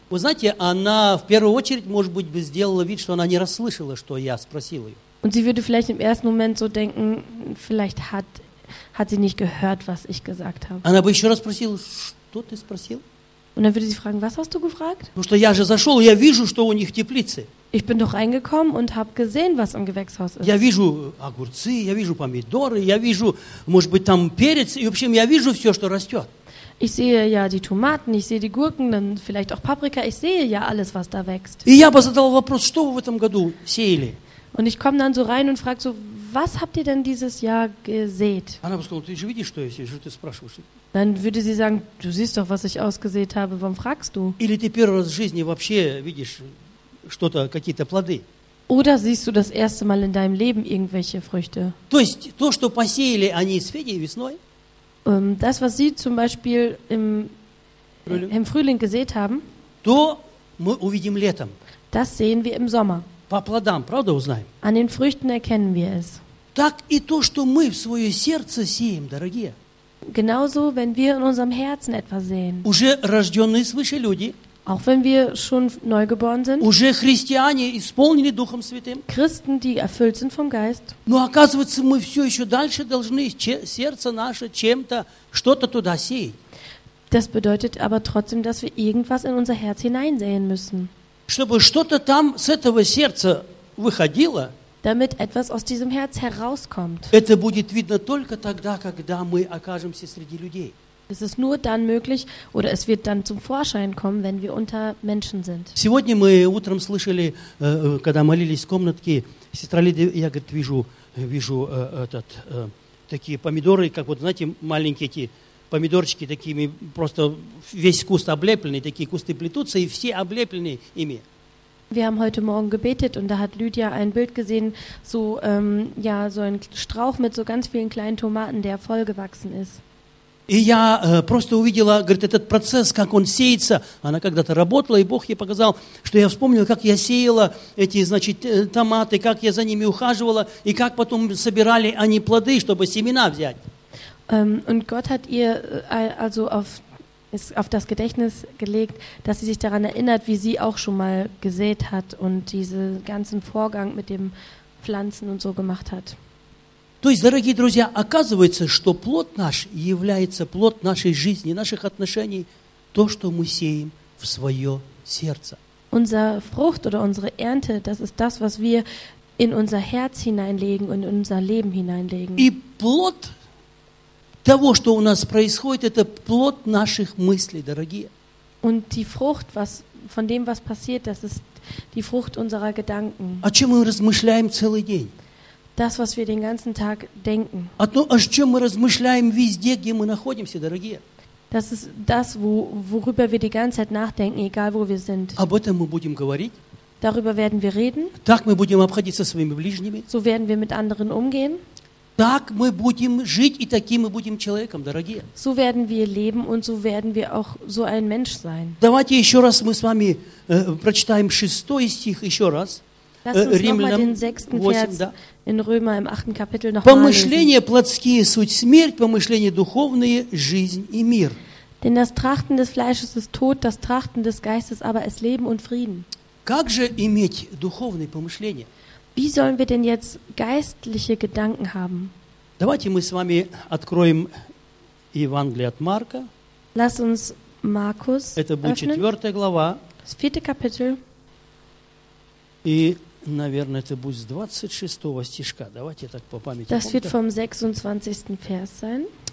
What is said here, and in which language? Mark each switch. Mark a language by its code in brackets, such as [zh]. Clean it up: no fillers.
[ru] Вы знаете, она в первую очередь, может быть, бы сделала вид, что она не расслышала, что я спросил ее. [de] Und sie würde vielleicht im ersten Moment so denken, vielleicht hat sie nicht gehört, was ich gesagt habe. [ru] Она бы еще раз спросила, что ты спросил? [de] Und dann würde sie fragen, was hast du gefragt? [ru] Потому что я же зашел, я вижу, что у них теплицы. [de] Ich bin doch reingekommen und habe gesehen, was im Gewächshaus ist. [ru] Я вижу огурцы, я вижу помидоры, я вижу, может быть, там перец, и в общем, я вижу все, что растет. [de] Ich sehe ja die Tomaten, ich sehe die Gurken, dann vielleicht auch Paprika, ich sehe ja alles, was da wächst. [ru] И я бы задал вопрос, что вы в этом году сеяли? [de] Und ich komme dann so rein und frage so, was habt ihr denn dieses Jahr gesät? Dann würde sie sagen, du siehst doch, was ich ausgesät habe, warum fragst du? Oder siehst du das erste Mal in deinem Leben irgendwelche Früchte? Das, was sie zum Beispiel im Frühling gesät haben, das sehen wir im Sommer. [ru] По плодам, правда, узнаем? [de] An den Früchten erkennen wir es. [ru] Так и то, что мы в свое сердце сеем, дорогие. [de] Genauso, wenn wir in unserem Herzen etwas sehen. [ru] Уже рожденные свыше люди. [de] Auch wenn wir schon neugeboren sind. [ru] Уже христиане, исполненные Духом Святым. [de] Christen, die erfüllt sind vom Geist. [ru] Но оказывается, мы все еще дальше должны сердце наше чем-то, что-то туда сеять. [de] Das bedeutet aber trotzdem, dass wir irgendwas in unser Herz hineinsehen müssen. [ru] Чтобы что-то там с этого сердца выходило, [de] damit etwas aus diesem Herz herauskommt. [ru] Это будет видно только тогда, когда мы окажемся среди людей. [de] Es ist nur dann möglich, oder es wird dann zum Vorschein kommen, wenn wir unter Menschen sind. [ru] Сегодня мы утром слышали, когда молились в комнатке, сестра Лидия, я говорит, вижу такие помидоры, как вот, знаете, маленькие эти помидорчики такими, просто весь куст облепленный, такие кусты плетутся, и все облеплены ими. [de] Wir haben heute Morgen gebetet und da hat Lydia ein Bild gesehen, so ein Strauch mit so ganz vielen kleinen Tomaten, der vollgewachsen ist. [ru] И я просто увидела, говорит, этот процесс, как он сеется. Она когда-то работала, и Бог ей показал, что я вспомнила, как я сеяла эти, значит, томаты, как я за ними ухаживала, и как потом собирали они плоды, чтобы семена взять. [de] Und Gott hat ihr also auf das Gedächtnis gelegt, dass sie sich daran erinnert, wie sie auch schon mal gesät hat und diesen ganzen Vorgang mit dem Pflanzen und so gemacht hat. [ru] То есть, дорогие друзья, оказывается, что плод наш является плод нашей жизни, наших отношений, то, что мы сеем в свое сердце. [de] Unser Frucht oder unsere Ernte, das ist das, was wir in unser Herz hineinlegen und in unser Leben hineinlegen. [ru] И плод того, что у нас происходит, это плод наших мыслей, дорогие. [de] Und die Frucht, was von dem, was passiert, das ist die Frucht unserer Gedanken. [ru] О чем мы размышляем целый день? [de] Das, was wir den ganzen Tag denken. [ru] О чем мы размышляем везде, где мы находимся, дорогие. [de] Das ist das, worüber wir die ganze Zeit nachdenken, egal wo wir sind. [ru] Об этом мы будем говорить. [de] Darüber werden wir reden. [ru] Так мы будем обходиться со своими ближними. [de] So werden wir mit anderen umgehen. [ru] Так мы будем жить, и таким мы будем человеком, дорогие. [de] So werden wir leben und so werden wir auch so ein Mensch sein. [ru] Давайте еще раз мы с вами прочитаем 6 стих еще раз. Римлянам 8, да. [de] In Römer im 8. Kapitel noch [ru] помышления плотские – суть смерть, помышления духовные – жизнь и мир. [de] Denn das Trachten des Fleisches ist Tod, das Trachten des Geistes aber ist Leben und Frieden. [ru] Как же иметь духовные помышления? [de] Wie sollen wir denn jetzt geistliche Gedanken haben? [ru] Давайте мы с вами откроем Евангелие от Марка. [de] Lass uns Markus öffnen. [ru] Это будет 4 глава. [de] Das 4. Kapitel. [ru] И, наверное, это будет с 26 стишка. Давайте так по памяти. [de] Das wird vom 26. Vers sein.